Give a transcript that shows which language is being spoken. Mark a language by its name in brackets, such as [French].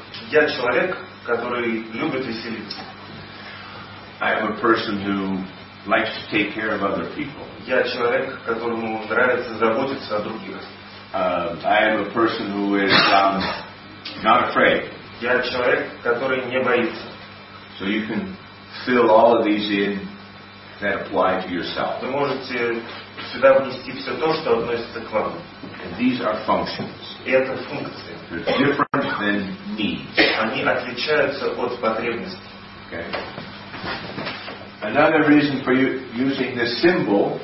[Russian] Я человек, который любит веселиться. [English] I am a person who likes to take care of other people. [Russian] Я человек, которому нравится заботиться о других. [English] I am a person who is not afraid. [Russian] Я человек, который не боится. [English] So you can fill all of these in that apply to yourself. [Russian] Вы можете сюда внести все то, что относится к вам. [English] And these are functions. [Russian] Это функции. [English] They're different than needs. [Russian] Они отличаются от потребностей. [English] Okay. Another reason for using this symbol.